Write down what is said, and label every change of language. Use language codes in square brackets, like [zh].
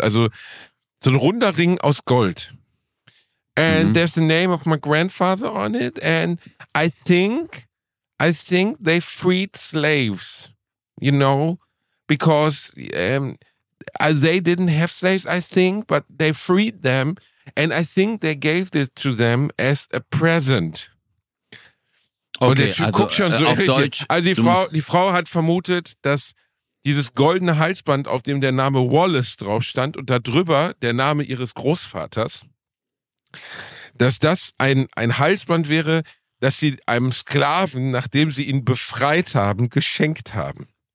[de] Also so ein runder Ring aus Gold. [en] And there's the name of my grandfather on it. And I think they freed slaves. You know? Because they didn't have slaves, I think. But they freed them. And I think they gave it to them as a present. [de] Okay, und der Typ also, guckt schon so auf irritiert. Deutsch. Also die Frau hat vermutet, dass dieses goldene Halsband, auf dem der Name Wallace drauf stand und darüber der Name ihres Großvaters, dass das ein Halsband wäre, das sie einem Sklaven, nachdem sie ihn befreit haben, geschenkt haben.